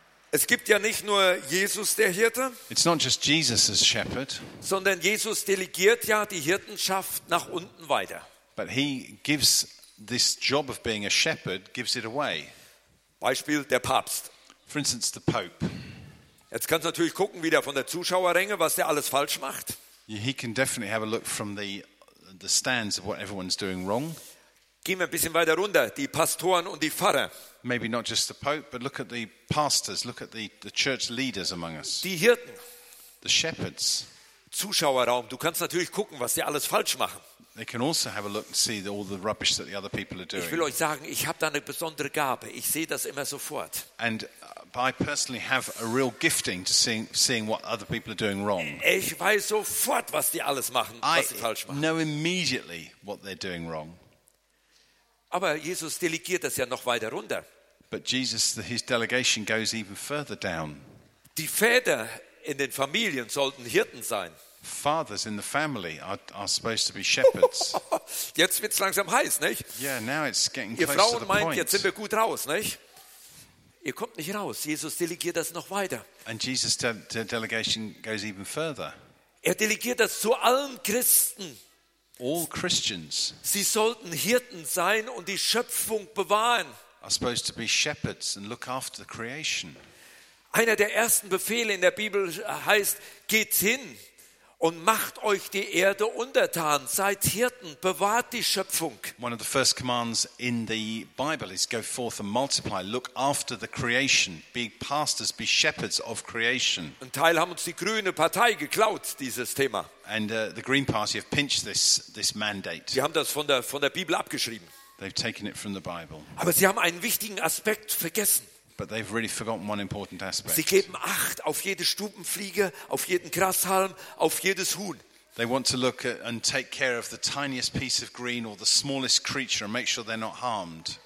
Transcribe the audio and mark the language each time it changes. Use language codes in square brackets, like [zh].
[de] Es gibt ja nicht nur Jesus der Hirte. [en] It's not just Jesus as shepherd. [de] Sondern Jesus delegiert ja die Hirtenschaft nach unten weiter. [en] But he gives this job of being a shepherd, gives it away. [de] Beispiel der Papst. [en] For instance, the Pope. [de] Jetzt kannst du natürlich gucken, wie der von der Zuschauerränge, was der alles falsch macht. [en] He can definitely have a look from the stands of what everyone's doing wrong. [de] Gehen wir ein bisschen weiter runter, die Pastoren und die Pfarrer. [en] Maybe not just the Pope, but look at the pastors, look at the church leaders among us. [de] Die Hirten. [en] The shepherds. [de] Zuschauerraum. Du kannst natürlich gucken, was sie alles falsch machen. [en] They can also have a look and see all the rubbish that the other people are doing. [de] Ich will euch sagen, ich habe da eine besondere Gabe. Ich sehe das immer sofort. [en] And I personally have a real gifting to seeing what other people are doing wrong. [de] Ich weiß sofort, was die alles machen, was sie falsch machen. [en] I know immediately what they're doing wrong. [de] Aber Jesus delegiert das ja noch weiter runter. [en] But Jesus, his delegation goes even further down. [de] Die Väter in den Familien sollten Hirten sein. [en] Fathers in the family are supposed to be shepherds. [de] Jetzt wird's langsam heiß, nicht? [en] Yeah, now it's getting close to the point. [de] Ihr Frauen meint, jetzt sind wir gut raus, nicht? Ihr kommt nicht raus. Jesus delegiert das noch weiter. [en] And Jesus' delegation goes even further. [de] Er delegiert das zu allen Christen. [en] All Christians. [de] Sie sollten Hirten sein und die Schöpfung bewahren. [en] Are supposed to be shepherds and look after the creation. [de] Einer der ersten Befehle in der Bibel heißt, geht hin und macht euch die Erde untertan, seid Hirten, bewahrt die Schöpfung. [en] One of the first commands in the Bible is go forth and multiply, look after the creation, be pastors, be shepherds of creation. [de] Ein Teil haben uns die Grüne Partei geklaut, dieses Thema. [en] And the Green Party have pinched this mandate. [de] Sie haben das von der Bibel abgeschrieben. [en] They've taken it from the Bible. [de] Aber sie haben einen wichtigen Aspekt vergessen. [en] But they've really forgotten one important aspect. [de] Sie geben Acht auf jede Stubenfliege, auf jeden Grashalm, auf jedes Huhn. [en] They want to look at and take care of the tiniest piece of green or the smallest creature and make sure they're not harmed.